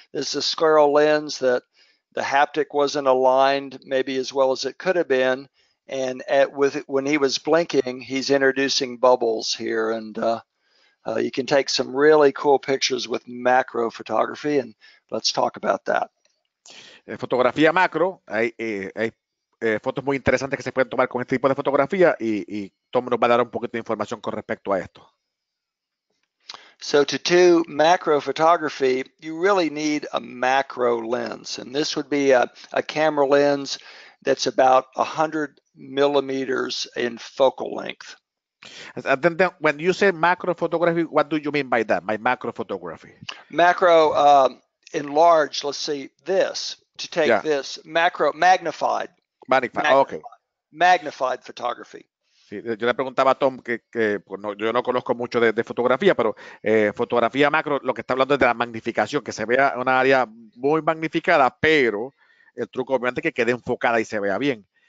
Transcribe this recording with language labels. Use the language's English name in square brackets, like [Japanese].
[English] This is a scleral lens that the haptic wasn't aligned maybe as well as it could have been. And when he was blinking, he's introducing bubbles here. And you can take some really cool pictures with macro photography. And let's talk about that. [Spanish] Fotografía macro. Hay fotos muy interesantes que se pueden tomar con este tipo de fotografía. Y Tom nos va a dar un poquito de información con respecto a esto. [English] So to do macro photography, you really need a macro lens. And this would be a camera lens that's about 100 millimeters in focal length. And then when you say macro photography, what do you mean by that, by macro photography? Macro, enlarge, let's see, this, to take this, macro, magnified. Magnified, oh, okay. Magnified photography. [Spanish] Sí, yo le preguntaba a Tom, yo no conozco mucho de fotografía, pero fotografía macro, lo que está hablando es de la magnificación, que se vea una área muy magnificada, pero el truco obviamente es que quede enfocada y se vea bien.